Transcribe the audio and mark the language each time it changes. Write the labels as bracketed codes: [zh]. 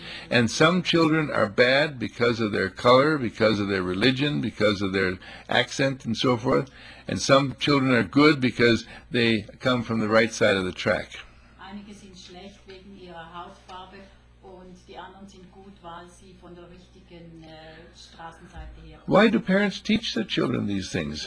[en] And some children are bad because of their color, because of their religion, because of their accent and so forth. And some children are good because they come from the right side of the track. [de] Einige sind schlecht wegen ihrer Hautfarbe und die anderen sind gut, weil sie von der richtigen Straßenseite herkommen. [en] Why do parents teach their children these things?